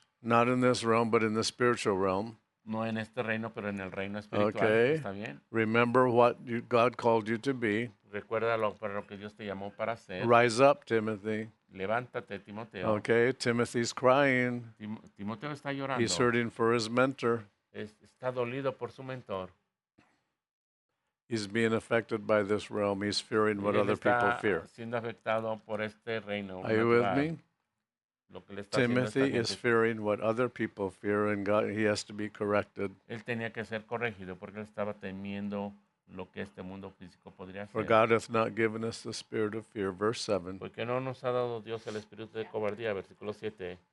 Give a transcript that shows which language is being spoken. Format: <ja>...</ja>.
<en>Not in this realm, but in the spiritual realm.</en> <es>No en este reino, pero en el reino espiritual. Okay. Está bien.</es> <en>Remember what God called you to be.</en> <es>Recuerda lo que Dios te llamó para ser.</es> <en>Rise up, Timothy.</en> <es>Levántate, Timoteo.</es> <en>Okay, Timothy's crying.</en> <es>Timoteo está llorando.</es> <en>He's hurting for his mentor.</en> <es>Está dolido por su mentor.</es> <en>He's being affected by this realm. He's fearing what other people fear.</en> <es>Siendo afectado por este reino.</es> <en>Are you with me? Timothy is fearing what other people fear, and God, he has to be corrected.</en> <es>Él tenía que ser corregido porque él estaba temiendo lo que este mundo físico podría hacer.</es> <en>For God hath not given us the spirit of fear, verse 7.</en> <es>Porque no nos ha dado Dios el espíritu de cobardía, versículo 7.</es>